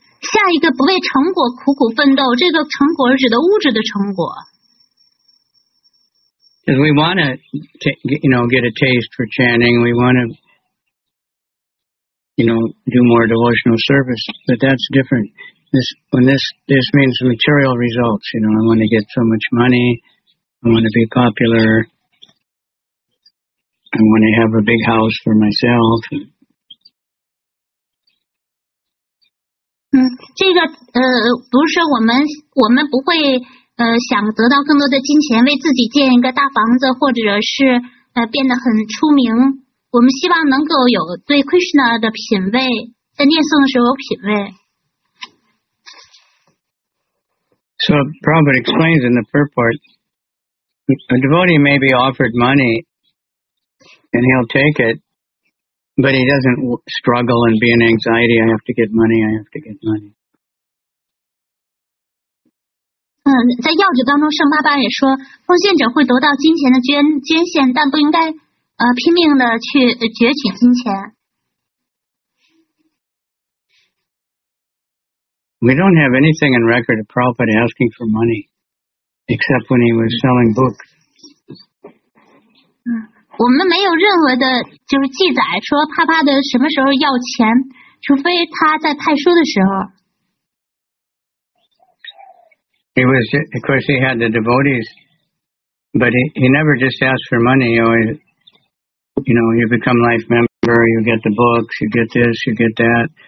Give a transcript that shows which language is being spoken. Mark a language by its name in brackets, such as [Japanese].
[Chinese] 下一个不为成果苦苦奋斗，这个成果是指的物质的成果。 [English] Because we want to, you know, get a taste for chanting. We want to. You know, do more devotional service, but that's different. This means material results. You know, I want to get so much money, I want to be popular, I want to have a big house for myself. [Chinese] 这个不是说我们不会想得到更多的金钱，为自己建一个大房子，或者是变得很出名。我们希望能够有对 Krishna 的品味，在念诵的时候有品味。 [English] So Prabhupada explains in the purport, a devotee may be offered money, and he'll take it, but he doesn't struggle and be in anxiety. I have to get money. I have to get money. [Chinese] 在要旨当中，圣巴巴也说，奉献者会得到金钱的捐献，但不应该。拼命的去攫取金钱。 [English] We don't have anything in record of Prabhupada asking for money, except when he was selling books. [Chinese] 我们没有任何的，就是记载说帕帕的什么时候要钱，除非他在派书的时候。 [English] He was, of course, he had the devotees, but he never just asked for money. You know, you become life member, you get the books, you get this, you get that.